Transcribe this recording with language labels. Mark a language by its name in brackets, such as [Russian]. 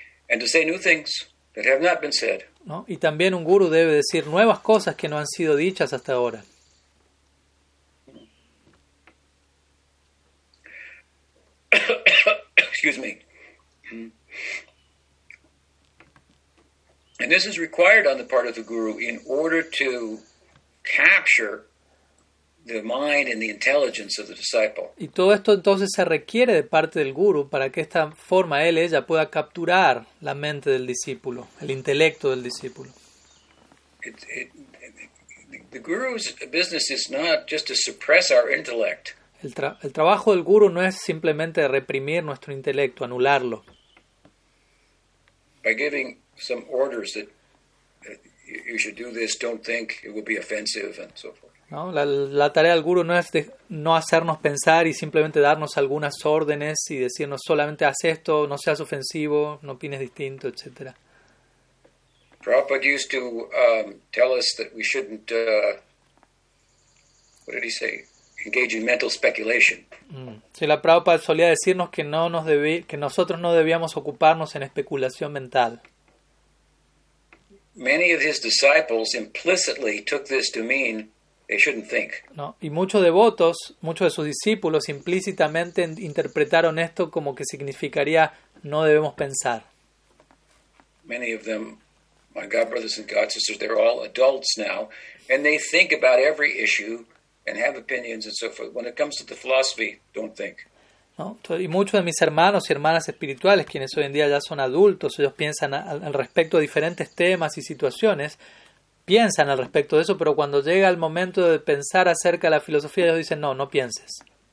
[English] And to say new things that have not been said. [Spanish] ¿No? Y también un guru debe decir nuevas cosas que no han sido dichas hasta ahora. [English] Excuse me. And this is required on the part of the guru in order to capture the mind and the intelligence of the disciple. [Spanish] Y todo esto entonces se requiere de parte del guru para que esta forma él ella pueda capturar la mente del discípulo, el intelecto del discípulo. [English] The guru's business is not just to suppress our intellect. [Spanish] El trabajo del guru no es simplemente reprimir nuestro intelecto, anularlo. [English] By giving some orders that you should do this, don't think it will be offensive and so forth. [Spanish] No, la tarea del guru no es de no hacernos pensar y simplemente darnos algunas órdenes y decirnos solamente haz esto, no seas ofensivo, no opines distinto, etc. [English] Prabhupada used to tell us that we shouldn't, what did he say, engage in mental speculation. [Spanish] Sí, la Prabhupada solía decirnos que que nosotros no debíamos ocuparnos en especulación mental. [English] Many of his disciples implicitly took this to mean they shouldn't think. [Spanish] No, y muchos devotos, muchos de sus discípulos implícitamente interpretaron esto como que significaría no debemos pensar. [English] Many of them, my god brothers and god sisters, they're all adults now and they think about every issue and have opinions and so forth. When it comes to the philosophy, don't think. [Spanish] No, y muchos de mis hermanos y hermanas espirituales, quienes hoy en día ya son adultos, ellos piensan al respecto de diferentes temas y situaciones. Piensan al respecto de eso, pero cuando llega el momento de pensar acerca de la filosofía, ellos dicen, no, no pienses.